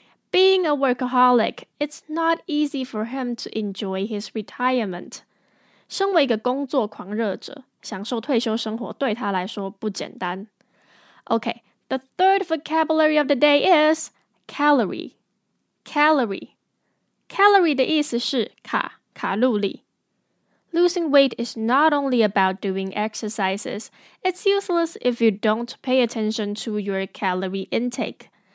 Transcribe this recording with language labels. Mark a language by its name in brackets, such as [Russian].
[English] Being a workaholic, it's not easy for him to enjoy his retirement. [Chinese] 身为一个工作狂热者，享受退休生活对他来说不简单。Okay, [English] the third vocabulary of the day is calorie. Calorie. [Chinese] Calorie 的意思是卡路里。 [English] Losing weight is not only about doing exercises. It's useless if you don't pay attention to your calorie intake.